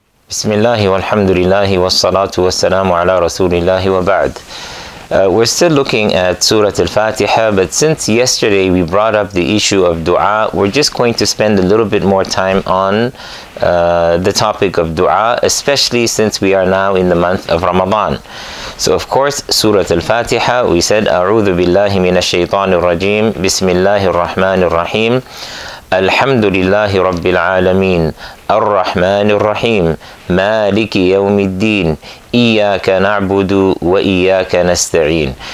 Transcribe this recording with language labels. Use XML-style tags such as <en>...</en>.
<ar>بسم الله والحمد لله والصلاة والسلام على رسول الله وبعد.</ar> <en>We're still looking at Surah Al-Fatiha, but since yesterday we brought up the issue of dua, we're just going to spend a little bit more time on the topic of dua, especially since we are now in the month of Ramadan. So of course, Surah Al-Fatiha, we said,</en> <ar>أعوذ بالله من الشيطان الرجيم بسم الله الرحمن الرحيم الحمد لله رب العالمين الرحمن الرحيم مالك يوم الدين إياك نعبد وإياك نستعين.</ar>